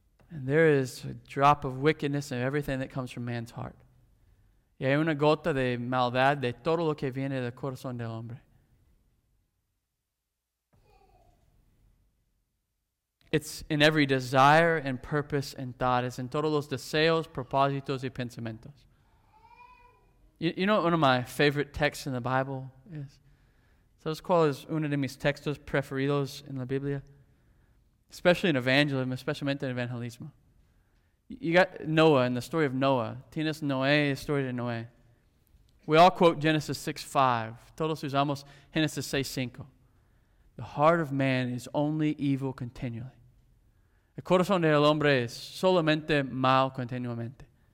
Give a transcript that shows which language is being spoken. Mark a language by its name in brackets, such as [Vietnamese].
[English] And there is a drop of wickedness in everything that comes from man's heart. [Spanish] Y hay una gota de maldad de todo lo que viene del corazón del hombre. [English] It's in every desire and purpose and thought. It's in [Spanish] todos los deseos, propósitos y pensamientos. [English] You know what one of my favorite texts in the Bible is? [Spanish] ¿Sabes cuál es uno de mis textos preferidos en la Biblia? [English] Especially in evangelism, [Spanish] especialmente en evangelismo. [English] You got Noah and the story of Noah. [Spanish] Tienes Noé, [English] story de Noé. We all quote Genesis 6:5. [Spanish] Todos usamos [English] Genesis 6:5. The heart of man is only evil continually. [Spanish] El corazón del hombre es solamente mal continuamente.